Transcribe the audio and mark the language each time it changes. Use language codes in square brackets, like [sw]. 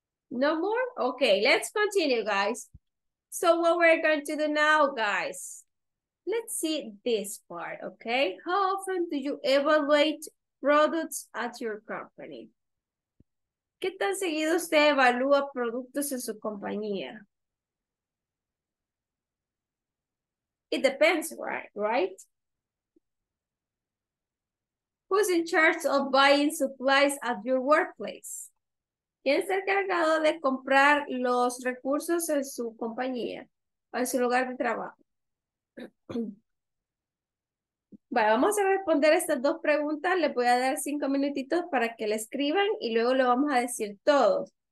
[en] No more? Okay, let's continue, guys. So what we're going to do now, guys, let's see this part, okay? How often do you evaluate products at your company? [es] ¿Qué tan seguido usted evalúa productos en su compañía? [en] It depends, right? Who's in charge of buying supplies at your workplace? [es] ¿Quién está encargado de comprar los recursos en su compañía, en su lugar de trabajo? Bueno, vamos a responder estas dos preguntas. Les voy a dar 5 minutitos para que le escriban y luego lo vamos a decir todos.